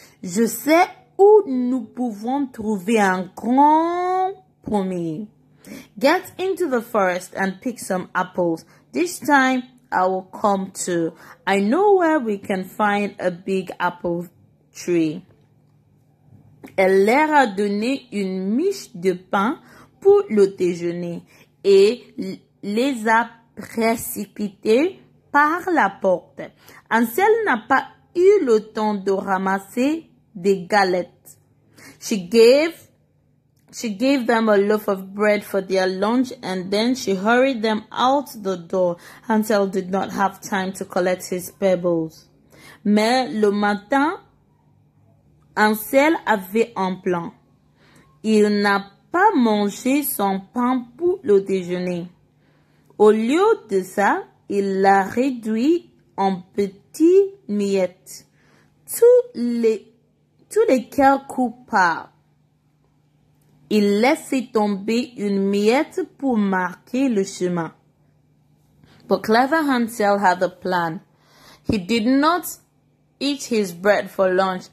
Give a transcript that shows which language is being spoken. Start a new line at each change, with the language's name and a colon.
French: Je sais où nous pouvons trouver un grand pommier.
English: Get into the forest and pick some apples. This time, I will come too. I know where we can find a big apple tree.
French: Elle leur a donné une miche de pain pour le déjeuner et les a précipités par la porte. Ansel n'a pas eu le temps de ramasser des galettes.
English: She gave them a loaf of bread for their lunch and then she hurried them out the door. Ansel did not have time to collect his pebbles.
French: Mais le matin, Ansel avait un plan. Il n'a pas mangé son pain pour le déjeuner. Au lieu de ça, il l'a réduit en petites miettes. Tous les quelques pas, il laissait tomber une miette pour marquer le chemin.
English: But clever Ansel had a plan. He did not eat his bread for lunch.